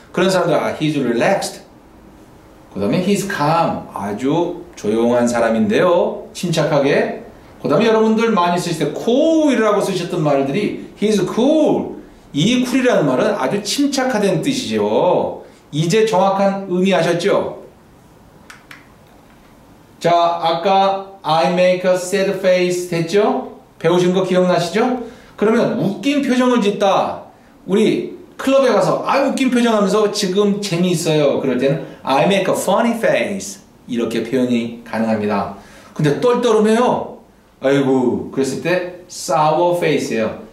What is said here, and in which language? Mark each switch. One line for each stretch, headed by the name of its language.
Korean: 그런 사람들,
English: he's relaxed.
Korean: 그 다음에
English: he's calm,
Korean: 아주 조용한 사람인데요. 침착하게. 그 다음에 여러분들 많이 쓰실 때 cool이라고 쓰셨던 말들이
English: he's cool.
Korean: 이 쿨이라는 말은 아주 침착하다는 뜻이죠. 이제 정확한 의미 아셨죠? 자, 아까
English: I make a sad face
Korean: 됐죠? 배우신 거 기억나시죠? 그러면 웃긴 표정을 짓다. 우리 클럽에 가서 아 웃긴 표정하면서 지금 재미있어요. 그럴 때는
English: I make a funny face
Korean: 이렇게 표현이 가능합니다. 근데 떨떠름해요. 아이고, 그랬을 때
English: sour face
Korean: 예요.